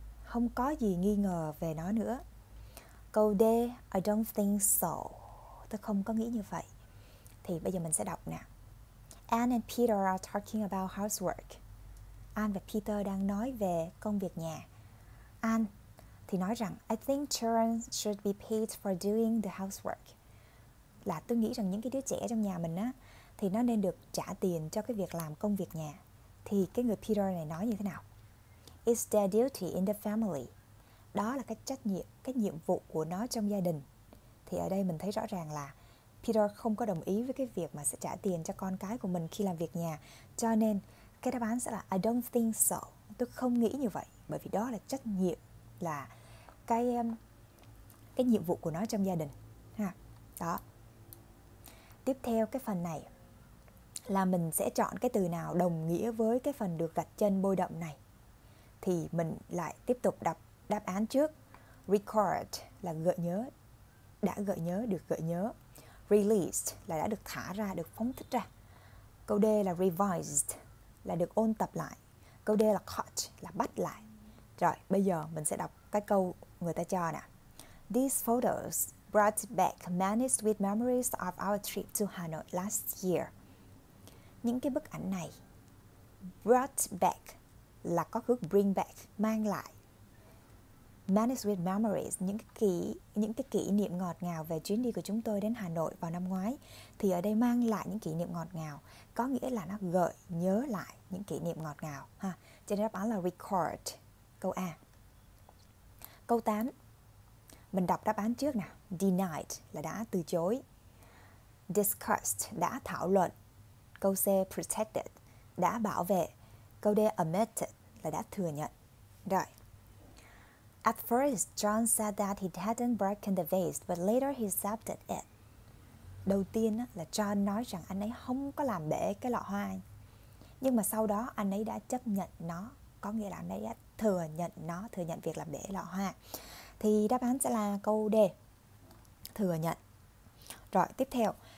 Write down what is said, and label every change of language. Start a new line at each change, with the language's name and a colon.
Vietnamese: Không có gì nghi ngờ về nó nữa. Câu D,
English: I don't think so.
Vietnamese: Tôi không có nghĩ như vậy. Thì bây giờ mình sẽ đọc nè.
English: Anne and Peter are talking about housework.
Vietnamese: Anne và Peter đang nói về công việc nhà.
English: Anne
Vietnamese: thì nói rằng
English: I think children should be paid for doing the housework.
Vietnamese: Là tôi nghĩ rằng những cái đứa trẻ trong nhà mình á thì nó nên được trả tiền cho cái việc làm công việc nhà. Thì cái người Peter này nói như thế nào?
English: It's their duty in the family.
Vietnamese: Đó là cái trách nhiệm, cái nhiệm vụ của nó trong gia đình. Thì ở đây mình thấy rõ ràng là Peter không có đồng ý với cái việc mà sẽ trả tiền cho con cái của mình khi làm việc nhà. Cho nên cái đáp án sẽ là
English: I don't think so.
Vietnamese: Tôi không nghĩ như vậy. Bởi vì đó là trách nhiệm, là cái nhiệm vụ của nó trong gia đình ha. Đó. Tiếp theo cái phần này là mình sẽ chọn cái từ nào đồng nghĩa với cái phần được gạch chân bôi đậm này. Thì mình lại tiếp tục đọc đáp án trước. Record là gợi nhớ, đã gợi nhớ, được gợi nhớ. Released là đã được thả ra, được phóng thích ra. Câu D là revised, là được ôn tập lại. Câu D là caught, là bắt lại. Rồi, bây giờ mình sẽ đọc cái câu người ta cho nè.
English: These photos brought back many sweet memories of our trip to Hà Nội last year.
Vietnamese: Những cái bức ảnh này, brought back là có cứ bring back, mang lại.
English: Many sweet memories,
Vietnamese: những cái kỷ niệm ngọt ngào về chuyến đi của chúng tôi đến Hà Nội vào năm ngoái. Thì ở đây mang lại những kỷ niệm ngọt ngào có nghĩa là nó gợi nhớ lại những kỷ niệm ngọt ngào ha. Cho nên đáp án là record, câu A. Câu 8, mình đọc đáp án trước nào. Denied là đã từ chối. Discussed, đã thảo luận. Câu C protected đã bảo vệ. Câu D admitted là đã thừa nhận. Rồi.
English: At first, John said that he hadn't broken the vase, but later he accepted it.
Vietnamese: Đầu tiên là John nói rằng anh ấy không có làm bể cái lọ hoa. Nhưng mà sau đó anh ấy đã chấp nhận nó, có nghĩa là anh ấy đã thừa nhận nó, thừa nhận việc làm bể lọ hoa. Thì đáp án sẽ là câu D, thừa nhận. Rồi, tiếp theo.